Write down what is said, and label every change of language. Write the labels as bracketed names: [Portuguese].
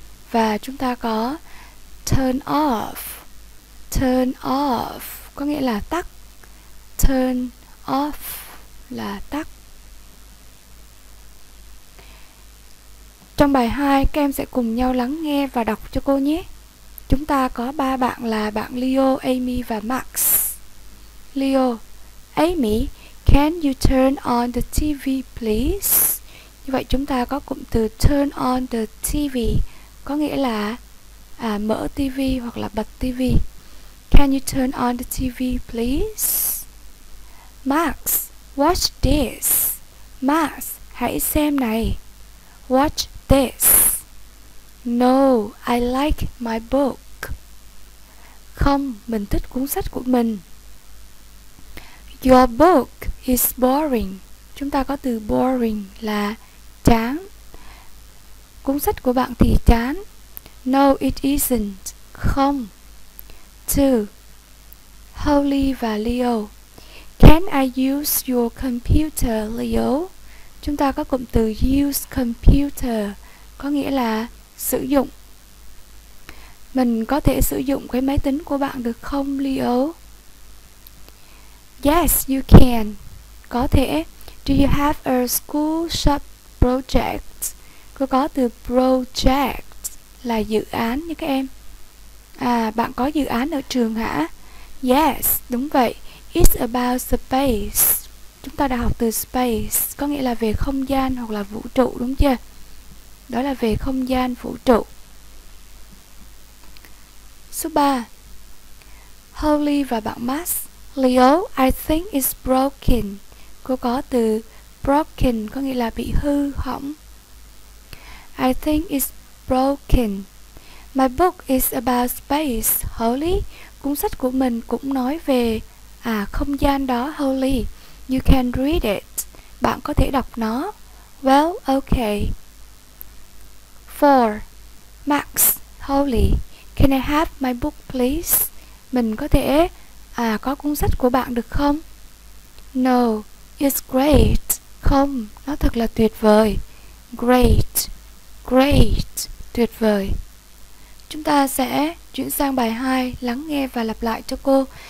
[Vietnamese] Và chúng ta có Turn off có nghĩa là tắt. Turn off là tắt. Trong bài 2, các em sẽ cùng nhau lắng nghe và đọc cho cô nhé. Chúng ta có ba bạn là bạn Leo, Amy và Max. [English] Leo: Amy, can you turn on the TV please? [Vietnamese] Như vậy chúng ta có cụm từ turn on the TV có nghĩa là mở TV hoặc là bật TV. [English] Can you turn on the TV please? Max: Watch this. Max: [Vietnamese] Hãy xem này. [English] Watch this. No, I like my book. [Vietnamese] Không, mình thích cuốn sách của mình. [English] Your book is boring. [Vietnamese] Chúng ta có từ boring là chán. Cuốn sách của bạn thì chán. [English] No, it isn't. [Vietnamese] Không. [English] 2. [Vietnamese] Holly và Leo. [English] Can I use your computer, Leo? [Vietnamese] Chúng ta có cụm từ use computer có nghĩa là sử dụng. Mình có thể sử dụng cái máy tính của bạn được không, Leo? [English] Yes, you can. [Vietnamese] Có thể. [English] Do you have a school shop project? [Vietnamese] Cô có từ project là dự án nha các em. Bạn có dự án ở trường hả? [English] Yes, [Vietnamese] đúng vậy. [English] It's about space. [Vietnamese] Chúng ta đã học từ space có nghĩa là về không gian hoặc là vũ trụ, đúng chưa? Đó là về không gian vũ trụ. Số 3. Holly và bạn Max. Leo, [English] I think it's broken. [Vietnamese] Cô có từ broken có nghĩa là bị hư, hỏng. [English] I think it's broken. My book is about space, Holly. [Vietnamese] Cuốn sách của mình cũng nói về không gian đó, Holly. [English] You can read it. [Vietnamese] Bạn có thể đọc nó. [English] Well, okay. 4. Max, Holly, can I have my book, please? [Vietnamese] Mình có thể có cuốn sách của bạn được không? [English] No, it's great. [Vietnamese] Không, nó thật là tuyệt vời. [English] Great, great, [Vietnamese] tuyệt vời. Chúng ta sẽ chuyển sang bài 2, lắng nghe và lặp lại cho cô.